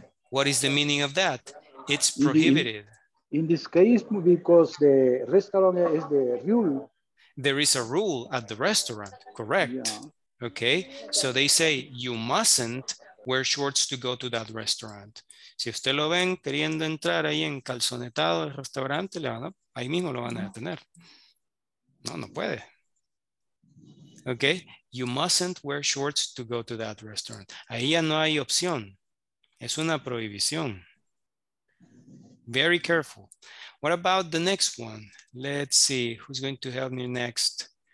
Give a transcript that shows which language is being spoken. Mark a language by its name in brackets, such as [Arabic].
[English] What is the meaning of that? It's prohibited. In this case, because the restaurant is the rule. There is a rule at the restaurant, correct? Yeah. Okay, so they say you mustn't wear shorts to go to that restaurant. [Spanish] Si usted lo ven queriendo entrar ahí en calzonetado al restaurante, ahí mismo lo van a detener. No puede. [English] Okay, you mustn't wear shorts to go to that restaurant. [Spanish] Ahí ya no hay opción. Es una prohibición. [English] Very careful. What about the next one? Let's see, who's going to help me next?